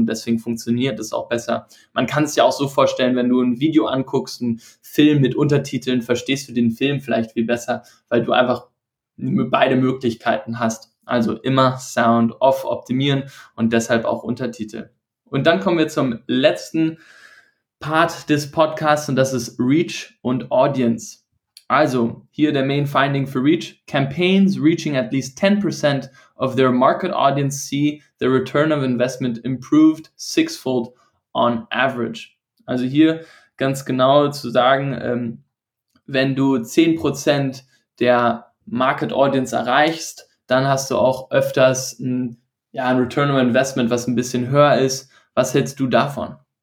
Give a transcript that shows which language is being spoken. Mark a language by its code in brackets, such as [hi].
[de] Und deswegen funktioniert es auch besser. Man kann es ja auch so vorstellen, wenn du ein Video anguckst, einen Film mit Untertiteln, verstehst du den Film vielleicht viel besser, weil du einfach beide Möglichkeiten hast. Also immer Sound off optimieren und deshalb auch Untertitel. Und dann kommen wir zum letzten Part des Podcasts und das ist Reach und Audience. Also hier der Main Finding für Reach. [en] Campaigns reaching at least 10% of their market audience see the return of investment improved sixfold on average. [de] Also hier ganz genau zu sagen, wenn du 10% der Market Audience erreichst, dann hast du auch öfters ein Return on Investment, was ein bisschen höher ist. Was hältst du davon?